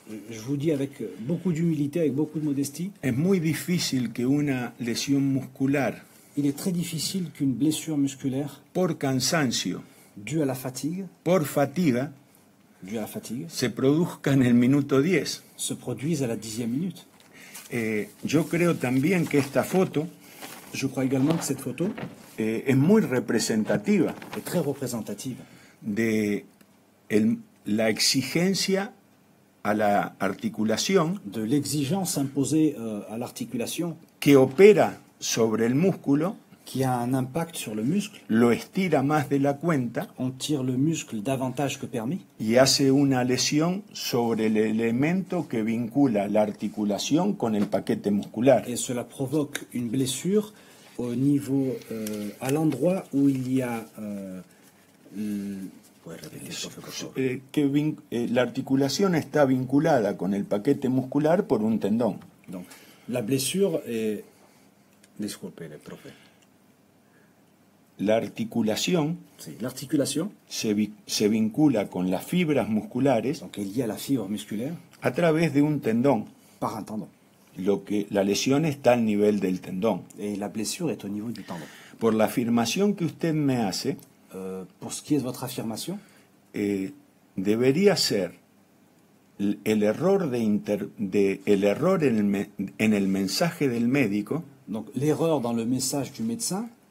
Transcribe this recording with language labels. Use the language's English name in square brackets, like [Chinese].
[French] je vous dis avec beaucoup d'humilité, avec beaucoup de modestie, [Spanish] es muy difícil que una lesión muscular, [French] il est très difficile qu'une blessure musculaire, [Spanish] por cansancio, [French] due à la fatigue, [Spanish] por fatiga, [French] due à la fatigue, [Spanish] se produzca en el minuto 10, [French] se produise à la 10e minute. [Spanish] Yo creo también que esta foto, [French] je crois également que cette photo, [Spanish] es muy representativa, [French] est très représentative, [Spanish] de la exigencia a la articulación, [French] de l'exigence imposée à l'articulation, [Spanish] que opera sobre el músculo, [French] qui a un impact sur le muscle, [Spanish] lo estira más de la cuenta, [French] on tire le muscle davantage que permis, [Spanish] y hace una lesión sobre el elemento que vincula la articulación con el paquete muscular. [French] Et cela provoque une blessure au niveau à l'endroit où il y a [Spanish] la articulación está vinculada con el paquete muscular por un tendón. [French] Donc, la blessure est... [Spanish] Disculpe, profe. La articulación, [French] sí, l'articulation [Spanish] se vincula con las fibras musculares. [French] Donc, il y a la fibre musculaire [Spanish] a través de un tendón. [French] Par un tendón. [Spanish] Lo que la lesión está al nivel del tendón. [French] Et la blessure est au niveau du tendon. [Spanish] Por la afirmación que usted me hace. [French] Pour ce qui est de votre affirmation, [Spanish] debería ser el error el error en el mensaje del médico. [French] Donc l'erreur dans le message du médecin,